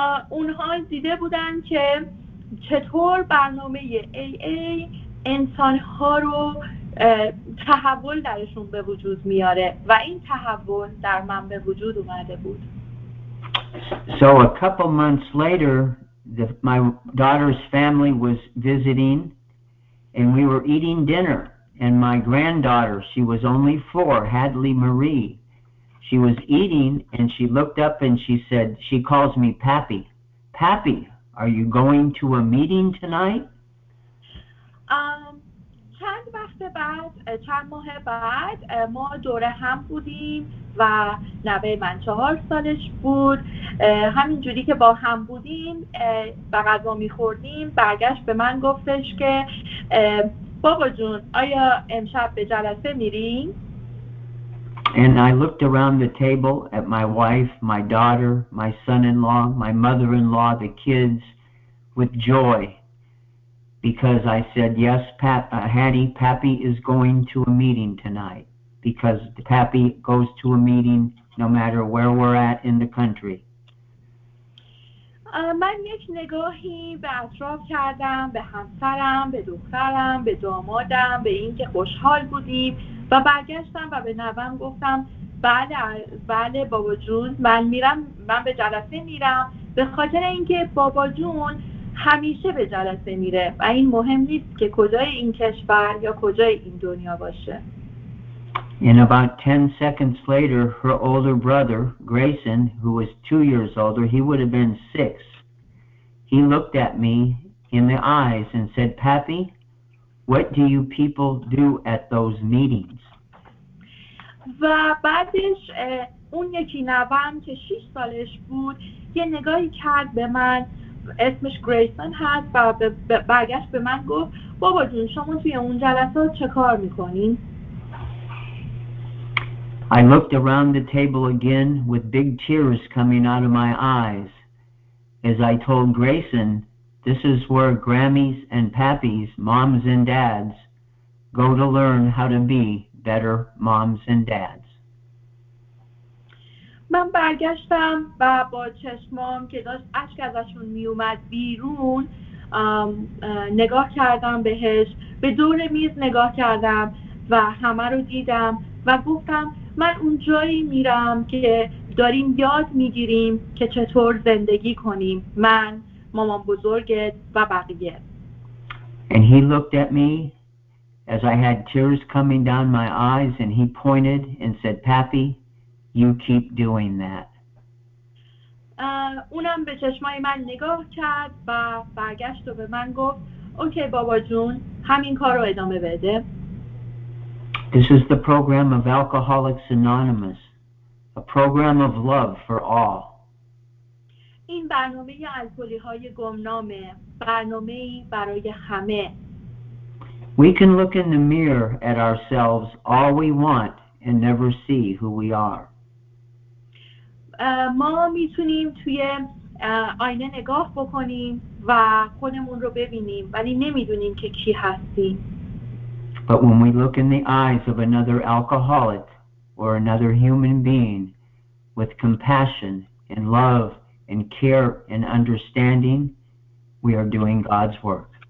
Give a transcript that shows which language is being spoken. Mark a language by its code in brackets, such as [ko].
[fa] اونها دیده بودن که چطور برنامه AA انسانها رو تحول درشون به وجود میاره و این تحول در من به وجود اومده بود. [en] So a couple months later, my daughter's family was visiting. And we were eating dinner, and my granddaughter, she was only four, Hadley Marie, she was eating, and she looked up and she said, she calls me Pappy. Pappy, are you going to a meeting tonight? [fa] چند وقت بعد، چند ماه بعد، ما دوره هم بودیم و نوه من 4 سالش بود. همین جوری که با هم بودیم و غذا میخوردیم، برگشت به من گفتش که بابا جون، آیا امشب به جلسه میریم؟ [en] And I looked around the table at my wife, my daughter, my son-in-law, my mother-in-law, the kids, with joy. Because I said, yes, Hattie, Pappy is going to a meeting tonight. Because Pappy goes to a meeting no matter where we're at in the country. [fa] من یک نگاهی به اطراف کردم، به همسرم، به دخترم، به دامادم، به اینکه خوشحال بودیم و برگشتم و به نوام گفتم بله، بله بابا جون، من میرم، من به جلسه میرم به خاطر اینکه بابا جون همیشه به جلسه میره و این مهم نیست که کجای این کشور یا کجای این دنیا باشه. [en] In about 10 seconds later, her older brother, Grayson, who was 2 years older, he would have been 6. He looked at me in the eyes and said, Pappy, what do you people do at those meetings? [fa] و بعدش اون یکی نوام که 6 سالش بود یه نگاهی کرد به من، اسمش گریسون هست، و برگشت به من گفت بابا جون شما توی اون جلسات چه کار میکنین؟ [en] I looked around the table again with big tears coming out of my eyes. is I told Grayson, this is where Grammys and Pappies, moms and dads, go to learn how to be better moms and dads. [fa] من برگشتم و با چشمام که داشت اشک ازشون می اومد بیرون نگاه کردم بهش، به دور میز نگاه کردم و همه رو دیدم و گفتم من اون جایی میرم که داریم یاد میگیریم که چطور زندگی کنیم، من، مامان بزرگت و بقیه. [en] And he looked at me as I had tears coming down my eyes and he pointed and said, Pappy, you keep doing that. [fa] اونم به چشمای من نگاه کرد و برگشت و به من گفت اوکی بابا جون همین کار رو ادامه بده. [en] This is the program of Alcoholics Anonymous, a program of love for all. [fa] این برنامه الکلی‌های گمنامه، برنامه‌ای برای همه. [en] We can look in the mirror at ourselves all we want and never see who we are. [fa] ما میتونیم توی آینه نگاه بکنیم و خودمون رو ببینیم ولی نمیدونیم که کی هستیم. [en] But when we look in the eyes of another alcoholic or another human being with compassion and love and care and understanding, we are doing God's work.